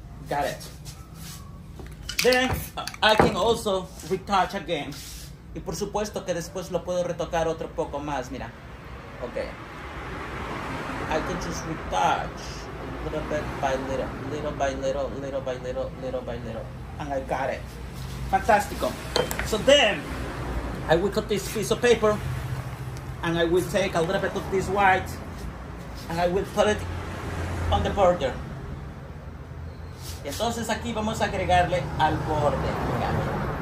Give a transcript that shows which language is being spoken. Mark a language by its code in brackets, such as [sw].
[en] Got it. Then I can also retouch again [es] Y por supuesto que después lo puedo retocar otro poco más, mira. [en] Okay. I can just retouch little bit by little, little by little, little by little, little by little. And I got it. Fantástico. So then, I will cut this piece of paper and I will take a little bit of this white and I will put it on the border. [es] Y entonces aquí vamos a agregarle al borde.